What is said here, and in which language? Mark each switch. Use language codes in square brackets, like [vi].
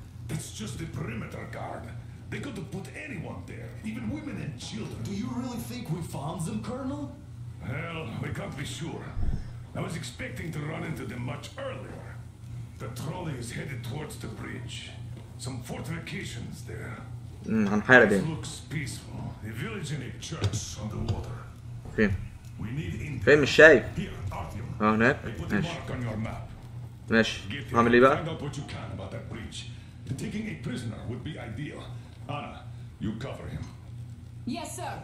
[en] It's just the perimeter guard. They could have put anyone there, even women and children. Do you really think we found them, Colonel? Hell, we can't be sure. I was expecting to run into them much earlier. The trolley is headed towards the bridge. Some fortifications there. [ar] هنحارب ايه؟ [en] Looks peaceful. A village and a church on the water. [ar] فين؟ فين مش شايف؟ اه هناك. ماشي. ماشي. هعمل ايه بقى؟ [en] Find out what you can about that bridge. Taking a prisoner would be ideal. Anna, you cover him. Yes, sir.